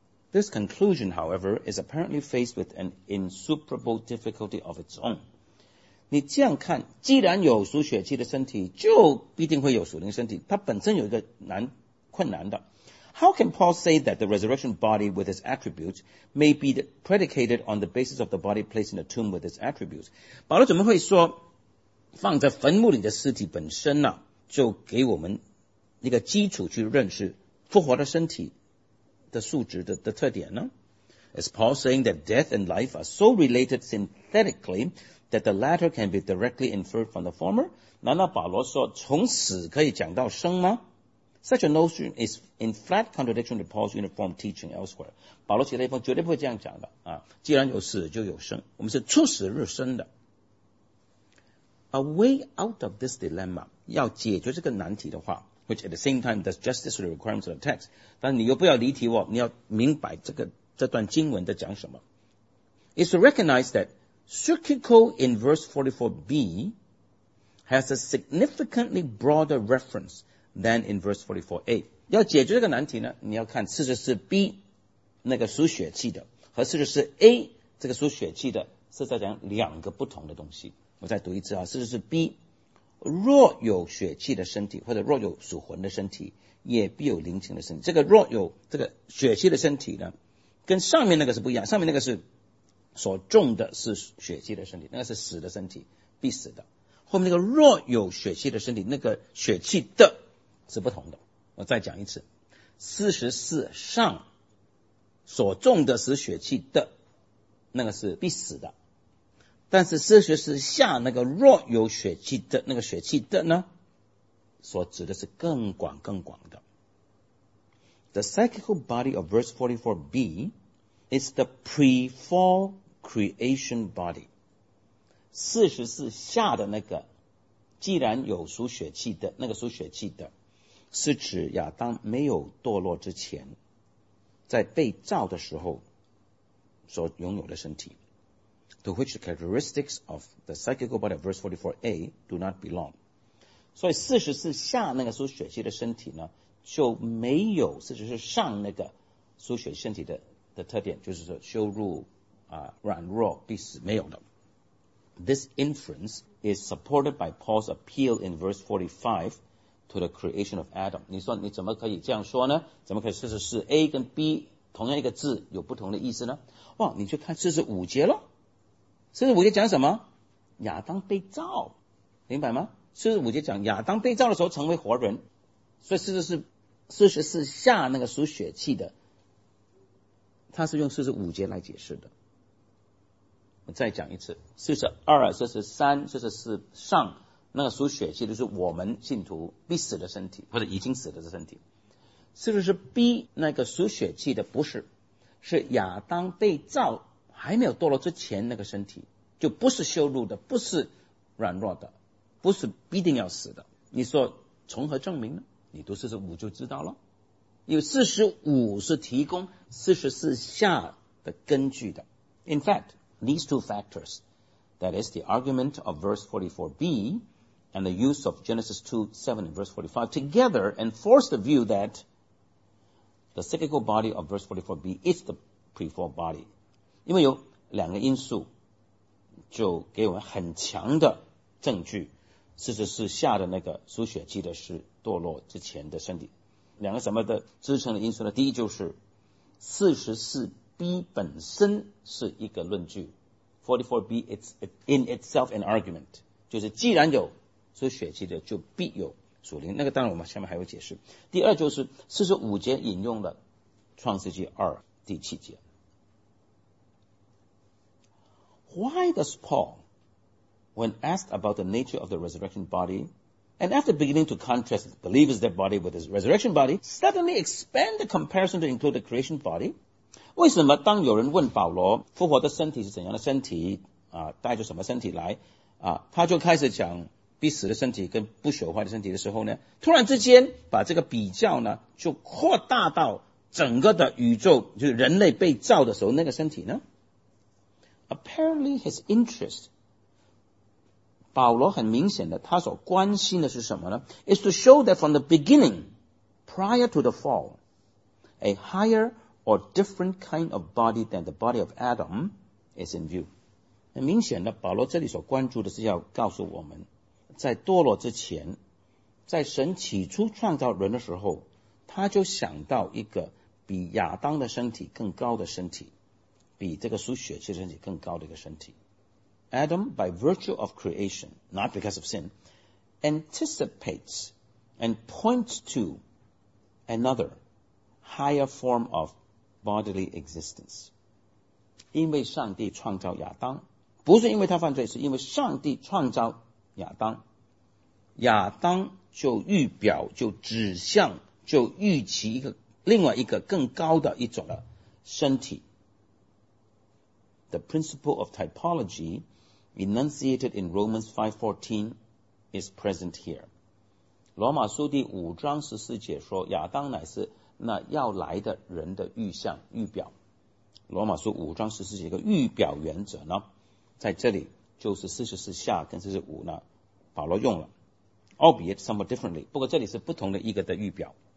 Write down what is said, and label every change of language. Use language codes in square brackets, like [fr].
[en] This conclusion, however, is apparently faced with an insuperable difficulty of its own. [zh] 你这样看，既然有属血气的身体，就必定会有属灵身体，它本身有一个困难的。 [en] How can Paul say that the resurrection body with its attributes may be predicated on the basis of the body placed in the tomb with its attributes? [zh] 保罗怎么会说，放在坟墓里的尸体本身呢，就给我们一个基础去认识复活的身体的素质 的特点呢？ [en] Is Paul saying that death and life are so related synthetically,that the latter can be directly inferred from the former? [zh] 难道保罗说从死可以讲到生吗？ [en] Such a notion is in flat contradiction to Paul's uniform teaching elsewhere. [zh] 保罗其他地方绝对不会这样讲的、啊、既然有死就有生，我们是出死入生的。 [en] A way out of this dilemma, [zh] 要解决这个难题的话， [en] which at the same time does justice to the requirements of the text, [zh] 但你又不要离题哦，你要明白这段经文在讲什么， [en] is to recognize thatCyclical in verse 44b has a significantly broader reference than in verse 44a. [zh] 要解决这个难题呢，你要看 44b 那个属血气的和 44a 这个属血气的是在讲两个不同的东西。我再读一次啊， 44b 若有血气的身体，或者若有属魂的身体，也必有灵性的身体。这个若有这个血气的身体呢，跟上面那个是不一样，上面那个是所中的是血气的身体，那个是死的身体，必死的。后面那个若有血气的身体，那个血气的是不同的。我再讲一次，44上所中的是血气的，那个是必死的。但是44下那个若有血气的，那个血气的呢，所指的是更广更广的。 [en] The psychical body of verse 44b is the pre-fallcreation body. [zh] 44下的那个既然有属血气的，那个属血气的是指亚当没有堕落之前在被造的时候所拥有的身体， [en] to which the characteristics of the psychical body of verse 44a do not belong. [zh] 所以44下那个属血气的身体呢，就没有44上那个属血身体 的特点，就是说羞辱软弱必死，没有的。 [en] This inference is supported by Paul's appeal in verse 45 to the creation of Adam. [zh] 你说你怎么可以这样说呢？怎么可以44 A 跟 B 同样一个字有不同的意思呢？哇，你去看45节了，45节讲什么？亚当被造，明白吗？45节讲亚当被造的时候成为活人，所以44下那个属血气的，他是用45节来解释的。我再讲一次，42、43、44上那个属血气就是我们信徒必死的身体，或者已经死了的身体。 44B 那个属血气的不是，是亚当被造还没有堕落之前那个身体，就不是羞辱的，不是软弱的，不是必定要死的。你说从何证明呢？你读45就知道了，因为45是提供44下的根据的。 [en] In fact,These two factors, that is the argument of verse 44b and the use of Genesis 2:7 and verse 45 together enforce the view that the psychical body of verse 44b is the pre-fall body. [zh] 因为有两个因素就给我们很强的证据，44下的那个属血气的是堕落之前的身体。两个什么的支撑的因素呢？第一就是44B 本身是一个论据， [en] 44B is in itself an argument, [zh] 就是既然有属血气的就必有属灵，那个当然我们下面还会解释。第二就是45节引用了创世纪二第七节。 [en] Why does Paul, when asked about the nature of the resurrection body and after beginning to contrast believers' dead body with his resurrection body, suddenly expand the comparison to include the creation body? [zh] 为什么当有人问保罗复活的身体是怎样的身体啊，带着什么身体来啊，他就开始讲必死的身体跟不朽坏的身体的时候呢，突然之间把这个比较呢就扩大到整个的宇宙，就是人类被造的时候那个身体呢。 [en] Apparently his interest, [zh] 保罗很明显的他所关心的是什么呢？ [en] is to show that from the beginning, prior to the fall, a higher or different kind of body than the body of Adam is in view. [zh] 很明显的保罗这里所关注的是要告诉我们，在堕落之前，在神起初创造人的时候，他就想到一个比亚当的身体更高的身体，比这个属血气的身体更高的一个身体。 [en] Adam, by virtue of creation, not because of sin, anticipates and points to another higher form of bodily existence. [zh] 因为上帝创造亚当，不是因为他犯罪，是因为上帝创造亚当，亚当就预表，就指向，就预期一个另外一个更高的一种的身体。 [en] The principle of typology enunciated in Romans 5:14 is present here. [zh] 罗马书第五章十四节说，亚当乃是那要来的人的预象预表。罗马书五章十四节一个预表原则呢，在这里就是四十四下跟四十五呢，保罗用了 [en] albeit somewhat differently， [zh] 不过这里是不同的一个的预表。